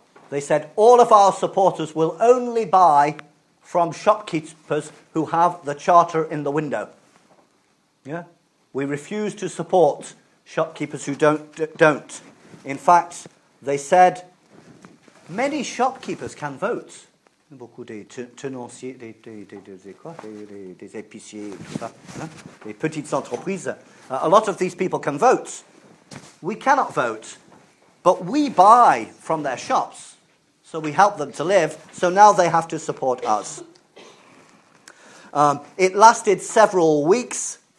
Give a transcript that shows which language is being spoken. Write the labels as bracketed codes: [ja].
[en] They said, all of our supporters will only buy from shopkeepers who have the charter in the window. Yeah? We refuse to support shopkeepers who don't. In fact, they said, many shopkeepers can vote. [fr] Beaucoup de tenanciers, des épiciers, tout ça, des petites entreprises. [en] A lot of these people can vote. We cannot vote, but we buy from their shops, so we help them to live, so now they have to support us. It lasted several weeks.